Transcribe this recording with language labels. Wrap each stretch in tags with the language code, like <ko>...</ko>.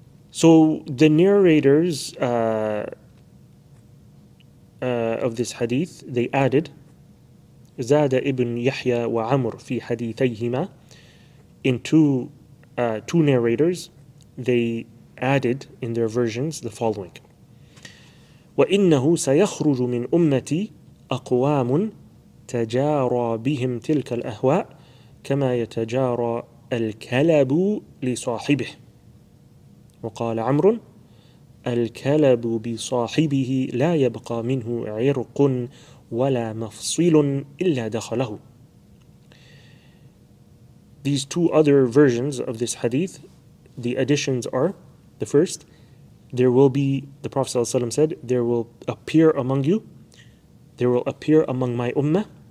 <en>So the narrators of this hadith, they added,</en> <ar>Zada ibn Yahya wa Amr fi hadithayhima,</ar> <en>in two narrators, they added in their versions the following:</en> <ar>وَإِنَّهُ سَيَخْرُجُ مِنْ أُمَّتِي أَقْوَامٌ تَجَارَى بِهِمْ تِلْكَ الْأَهْوَاءِ كَمَا يَتَجَارَى الْكَلَبُ لِصَاحِبِهِ وَقَالَ عَمْرٌ الْكَلَبُ بِصَاحِبِهِ لَا يَبْقَى مِنْهُ عِرْقٌ وَلَا مَفْصِيلٌ إِلَّا دَخَلَهُ.</ar> <en>These two other versions of this hadith, the additions are, the first, there will be, the Prophet ﷺ said, there will appear among my ummah,</en>